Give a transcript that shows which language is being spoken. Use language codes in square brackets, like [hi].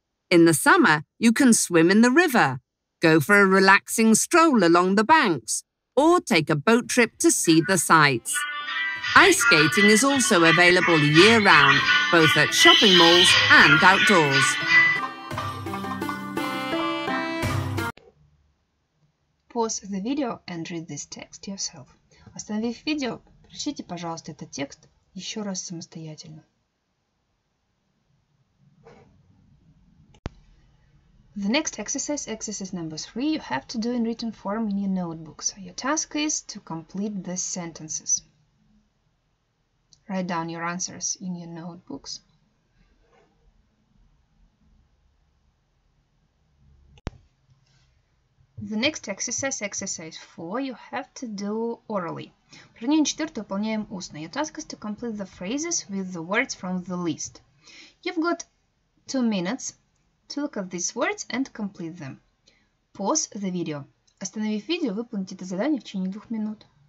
[en] In the summer, you can swim in the river, go for a relaxing stroll along the banks, or take a boat trip to see the sights. Ice skating is also available year-round, both at shopping malls and outdoors. Pause the video and read this text yourself. [ru] Остановив видео, прочтите, пожалуйста, этот текст еще раз самостоятельно. [en] The next exercise, exercise number 3, you have to do in written form in your notebook. So your task is to complete the sentences. Write down your answers in your notebooks. The next exercise, exercise 4, you have to do orally. [ru] Упражнение 4 выполняем устно. [en] Your task is to complete the phrases with the words from the list. You've got 2 minutes to look at these words and complete them. Pause the video. [ru] Остановив видео, выполните это задание в течение 2 минут.